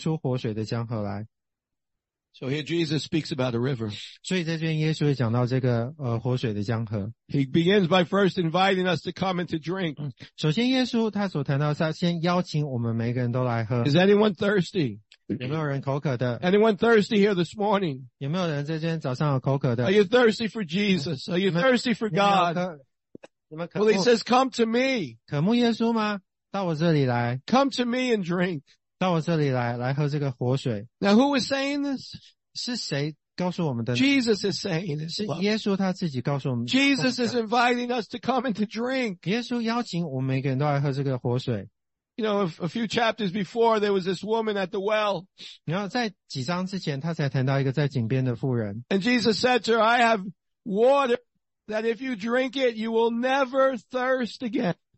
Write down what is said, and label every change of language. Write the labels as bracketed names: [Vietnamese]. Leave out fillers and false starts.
[Chinese] 第37节中文就是节期的末日就是最大之日，耶稣正在高声说，人若渴了可以到我这里来喝，信我的人就如同经上所说的，从他腹中要流出活水的江河来。 [English] So here Jesus speaks about a river. [Chinese] 所以在这边耶稣也讲到这个活水的江河。 [English] He begins by first inviting us to come and to drink. [Chinese] 首先耶稣他所谈到是先邀请我们每个人都来喝。 [English] Is anyone thirsty? [Chinese] 有没有人口渴的? [English] Anyone thirsty here this morning? [Chinese] 有没有人在今天早上有口渴的? [English] Are you thirsty for Jesus? Are you thirsty for God? [Chinese] 你们渴, [English] well, he says, come to me. [Chinese] 渴慕耶稣吗?到我这里来。 [English] Come to me and drink. [Chinese] 到我这里来, 来喝这个活水。 [English] Now, who is saying this? [Chinese] 是谁告诉我们的? [English] Jesus is saying this. [Chinese] 是耶稣他自己告诉我们, [English] Jesus is inviting us to come and to drink. [Chinese] 耶稣邀请我们每个人都来喝这个活水。 [English] You know, a few chapters before, there was this woman at the well. [Chinese] 然后在几章之前，他才谈到一个在井边的妇人。 [English] And Jesus said to her, I have water that if you drink it, you will never thirst again.